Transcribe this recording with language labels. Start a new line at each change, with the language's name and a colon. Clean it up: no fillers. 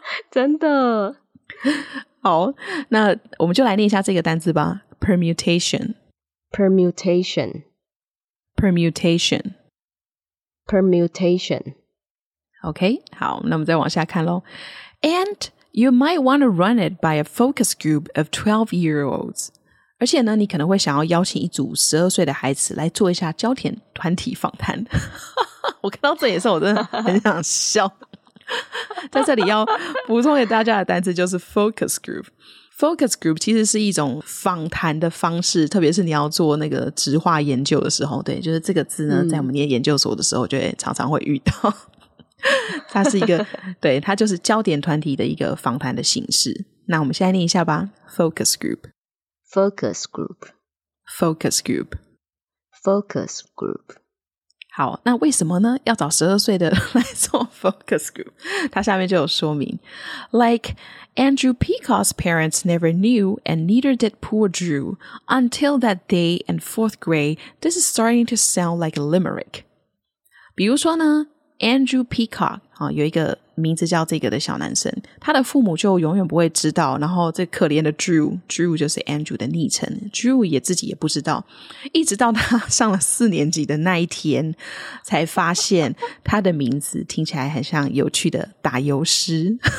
Chinese: 真的。好，那我们就来念一下这个单字吧 ：permutation，
English: permutation， permutation。 Permutation.
Chinese: Okay, 好，那我们再往下看咯。
English: And you might want to run it by a focus group of 12-year-olds.
Chinese: 而且呢，你可能会想要邀请一组12岁的孩子来做一下焦点团体访谈。我看到这也是我真的很想笑。在这里要补充给大家的单词就是 focus group。 Focus group 其实是一种访谈的方式，特别是你要做那个质化研究的时候，对，就是这个字呢，在我们念研究所的时候，就会常常会遇到。它是一个，对，它就是焦点团体的一个访谈的形式。那我们现在念一下吧 ，focus group，
English: focus group， focus group， focus group。
Chinese: 好，那为什么呢？要找12岁的来做 focus group， 他下面就有说明。
English: Like Andrew Peacock's parents never knew and neither did poor Drew until that day in fourth grade, this is starting to sound like a limerick.
Chinese: 比如说呢， Andrew Peacock、哦、有一个名字叫这个的小男生，他的父母就永远不会知道，然后这可怜的 Drew 就是 Andrew 的昵称， Drew 也自己也不知道，一直到他上了四年级的那一天才发现他的名字听起来很像有趣的打油诗。